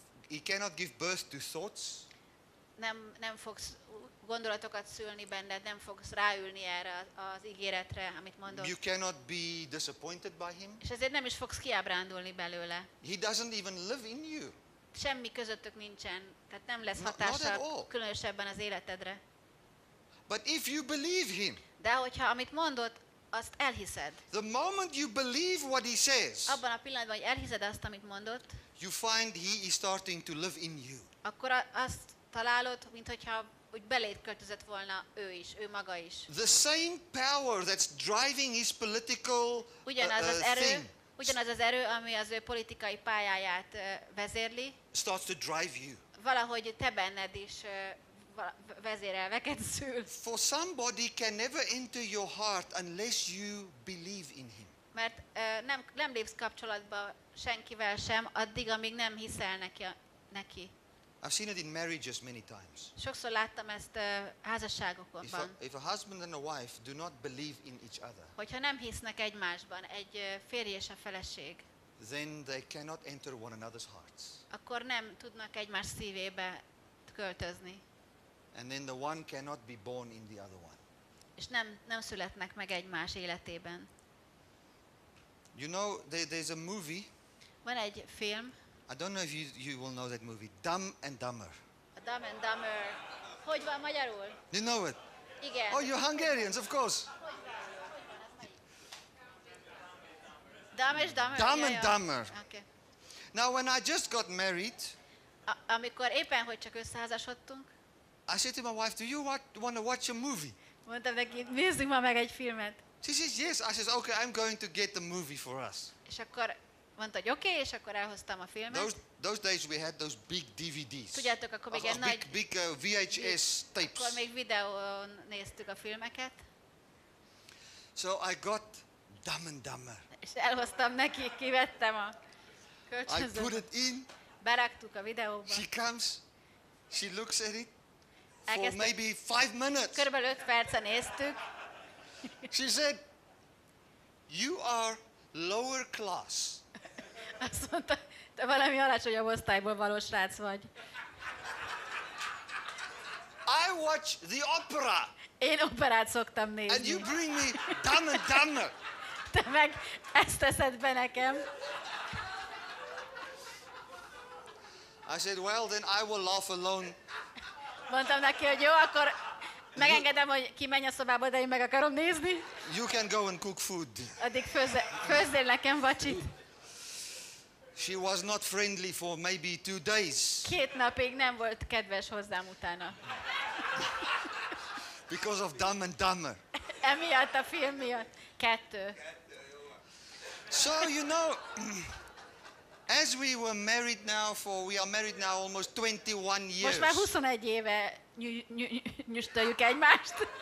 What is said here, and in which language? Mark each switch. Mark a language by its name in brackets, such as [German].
[English] He cannot give birth to thoughts. [Hungarian] Nem fogsz gondolatokat szülni benned, nem fogsz ráülni erre az ígéretre, amit mondok. [English] You cannot be disappointed by him. [Hungarian] És ezért nem is fogsz kiábrándulni belőle. [English] He doesn't even live in you. [Hungarian] Semmi közöttök nincsen, tehát nem lesz hatása különösebben az életedre. [English] But if you believe him, [Hungarian] de hogyha amit mondott, azt elhiszed. [English] The moment you believe what he says, [Hungarian] abban a pillanatban, hogy elhiszed azt, amit mondott, [English] you find he is starting to live in you. [Hungarian] Akkor azt találod, mintha úgy beléd költözött volna ő is, ő maga is. [English] The same power that's driving his political thing. [Hungarian] Ugyanaz az erő, ami az ő politikai pályáját vezérli, [English] starts to drive you. [Hungarian] Valahogy te benned is vezérelveket szül. [English] For somebody can never enter your heart unless you believe in him. [Hungarian] Mert nem lépsz kapcsolatba senkivel sem, addig, amíg nem hiszel neki. [English] I've seen it in marriages many times. [Hungarian] Sokszor láttam ezt házasságokban. [English] If a husband and a wife do not believe in each other. [Hungarian] Hogyha nem hisznek egymásban, egy férj és a feleség. [English] Then they cannot enter one another's hearts. [Hungarian] Akkor nem tudnak egymás szívébe költözni. [English] And then the one cannot be born in the other one. [Hungarian] És nem születnek meg egymás életében. [English] You know, there's a movie. [Hungarian] Van egy film. [English] I don't know if you will know that movie, Dumb and Dumber. [Hungarian] Dumb and Dumber. Hogy van magyarul? [English] You know it? [Hungarian] Igen. [English] Oh, you're Hungarians, of course. Dumb and Dumber. Dumb and Dumber. Okay. Now, when I just got married, [Hungarian] amikor éppen hogy csak összeházasodtunk, [English] I said to my wife, do you want to watch a movie? [Hungarian] Mondtam neki, nézzük ma meg egy filmet. [English] She says, yes. I says, okay, I'm going to get the movie for us. [Hungarian] És akkor mondta, hogy oké, és akkor elhoztam a filmet. [English] Those days we had those big DVDs. [Hungarian] Tudjátok, akkor még egy nagy [English] VHS tapes. [Hungarian] Akkor még videón néztük a filmeket. [English] So I got Dumb and Dumber. [Hungarian] És elhoztam neki, kivettem a kölcsönzőt. [English] I put it in. [Hungarian] Beraktuk a videóba. [English] She comes, she looks at it for maybe 5 minutes. [Hungarian] Körülbelül 5 percet néztük. [English] She said, you are lower class. [Hungarian] Azt mondta, te valami alacsonyabb osztályból való srác vagy. [English] I watch the opera. [Hungarian] Én operát szoktam nézni. [English] And you bring me Dumb and Dumber. [Hungarian] Te meg ezt teszed be nekem. [English] I said, well, then I will laugh alone. [Hungarian] Mondtam neki, hogy jó, akkor megengedem, hogy kimenj a szobába, de én meg akarom nézni. [English] You can go and cook food. [Hungarian] Addig főzzél nekem vacsit. [English] She was not friendly for maybe 2 days. [Hungarian] Két napig nem volt kedves hozzám utána. [English] Because of Dumb and Dumber. [Hungarian] Emiatt a film miatt. Kettő. [English] So you know, as we were married now for, we are married now almost 21 years. [Hungarian] Most már 21 éve nyüstöljük egymást.